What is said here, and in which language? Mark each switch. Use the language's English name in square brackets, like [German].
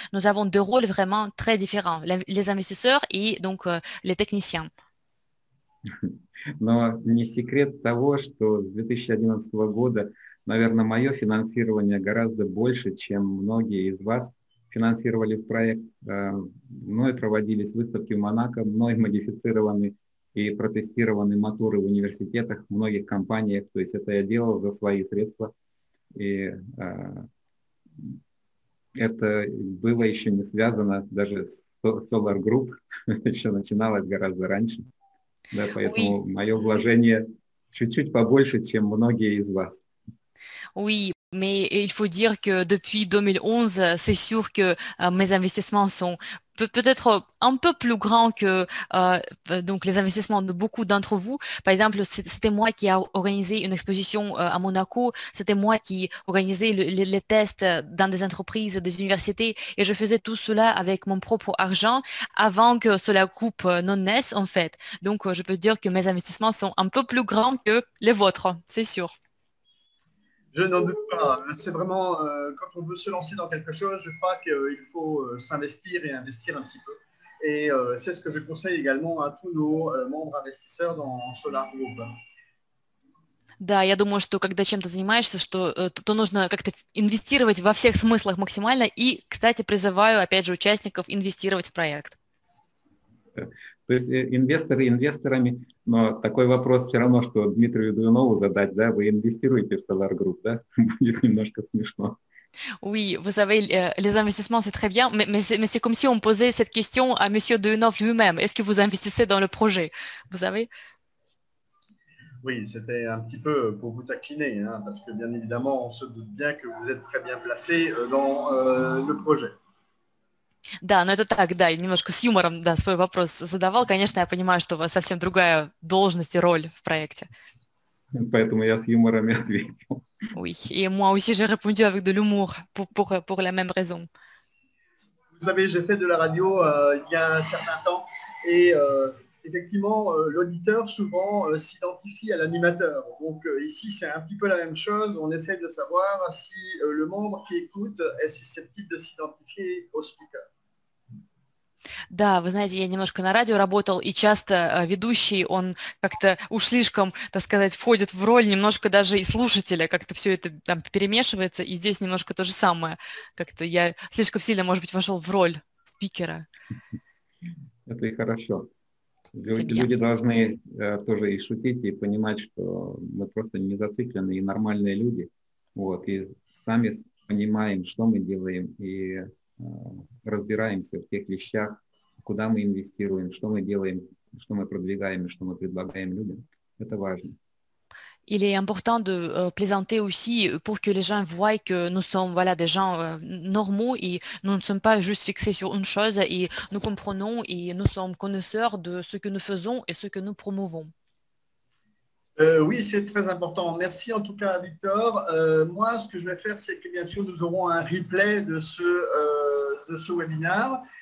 [French] Nous avons deux rôles vraiment très différents, les investisseurs et donc les techniciens. [Russian] Но не секрет того, что с 2011 года, наверное, мое финансирование гораздо больше, чем многие из вас финансировали в проект. Мной проводились выставки в Монако, мной модифицированы и протестированы моторы в университетах, в многих компаниях. То есть это я делал за свои средства. И это было еще не связано даже с Solar Group, еще начиналось гораздо раньше. Да, поэтому oui. Мое вложение чуть-чуть побольше, чем многие из вас. [French] Oui. Mais il faut dire que depuis 2011, c'est sûr que mes investissements sont peut-être un peu plus grands que donc les investissements de beaucoup d'entre vous. Par exemple, c'était moi qui a organisé une exposition à Monaco. C'était moi qui organisais les tests dans des entreprises, des universités. Et je faisais tout cela avec mon propre argent avant que cela coupe non naisse, en fait. Donc, je peux dire que mes investissements sont un peu plus grands que les vôtres, c'est sûr. Je n'en doute pas. C'est vraiment, quand on veut se lancer dans quelque chose, je crois qu'il faut s'investir et investir un petit peu. Et c'est ce que je conseille également à tous nos membres investisseurs dans Solar Group. [Russian] Да, я думаю, что когда чем-то занимаешься, что то нужно как-то инвестировать во всех смыслах максимально. И, кстати, призываю, опять же, участников инвестировать в проект. То есть инвесторы инвесторами, но такой вопрос все равно, что Дмитрию Дуйнову задать, да, вы инвестируете в Solar Group, да, будет немножко смешно. [French] Oui, vous savez, les investissements, c'est très bien, mais c'est comme si on posait cette question à monsieur Dujnov lui-même. Est-ce que vous investissez dans le projet, vous savez? Oui, c'était un petit peu pour vous taquiner, hein, parce que bien évidemment, on se doute bien que vous êtes très bien placé dans le projet. [Russian] Да, но это так, да, я немножко с юмором, да, свой вопрос задавал. Конечно, я понимаю, что у вас совсем другая должность и роль в проекте. Поэтому я с юмором и ответил. [French] Oui, et moi aussi j'ai répondu avec de l'humour pour la même raison. Vous savez, j'ai fait de la radio il y a un certain temps, et effectivement, l'auditeur souvent s'identifie à l'animateur. Donc ici, c'est un petit peu la même chose. On essaie de savoir si le membre qui écoute est susceptible de s'identifier au speaker. [Russian] Да, вы знаете, я немножко на радио работал, и часто ведущий, он как-то уж слишком, так сказать, входит в роль немножко даже и слушателя, как-то все это там перемешивается, и здесь немножко то же самое. Как-то я слишком сильно, может быть, вошел в роль спикера. Это и хорошо. Люди должны тоже и шутить, и понимать, что мы просто не зациклены, и нормальные люди, вот, и сами понимаем, что мы делаем, и разбираемся в тех вещах, куда мы инвестируем, что мы делаем, что мы продвигаем, что мы предлагаем людям. Это важно. [French] Il est important de plaisanter aussi pour que les gens voient que nous sommes voilà, des gens normaux et nous ne sommes pas juste fixés sur une chose et nous comprenons et nous sommes connaisseurs de ce que nous faisons et ce que nous promouvons. Oui, c'est très important. Merci en tout cas, Victor. Moi, ce que je vais faire, c'est que bien sûr, nous aurons un replay de ce webinaire.